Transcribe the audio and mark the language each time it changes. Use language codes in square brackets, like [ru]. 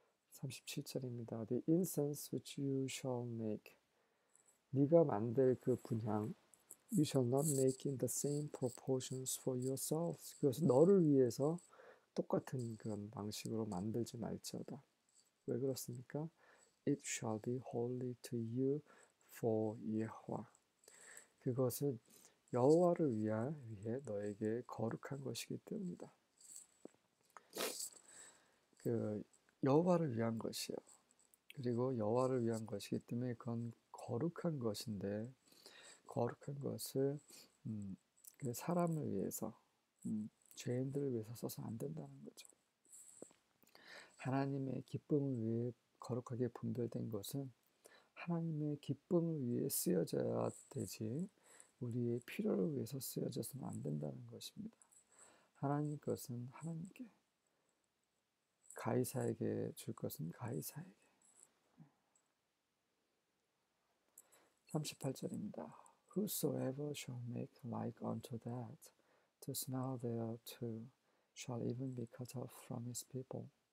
[ko] 37절입니다. [en] The incense which you shall make. [ko] 네가 만들 그 분향, [en] you shall not make in the same proportions for yourselves. [ko] 그것은 너를 위해서 똑같은 그런 방식으로 만들지 말지어다. 왜 그렇습니까? [en] It shall be holy to you for Yehovah. [ko] 그것은 여호와를 위해 너에게 거룩한 것이기 때문이다. 여호와를 위한 것이요. 그리고 여호와를 위한 것이기 때문에 그건 거룩한 것인데, 거룩한 것을 그 사람을 위해서, 죄인들을 위해서 써서 안 된다는 거죠. 하나님의 기쁨을 위해 거룩하게 분별된 것은 하나님의 기쁨을 위해 쓰여져야 되지, 우리의 필요를 위해서 쓰여져서는 안 된다는 것입니다. 하나님 것은 하나님께, 가이사에게 줄 것은 가이사에게. 38절입니다. [en] Whosoever shall make like unto that, to smell thereto, shall even be cut off from his people.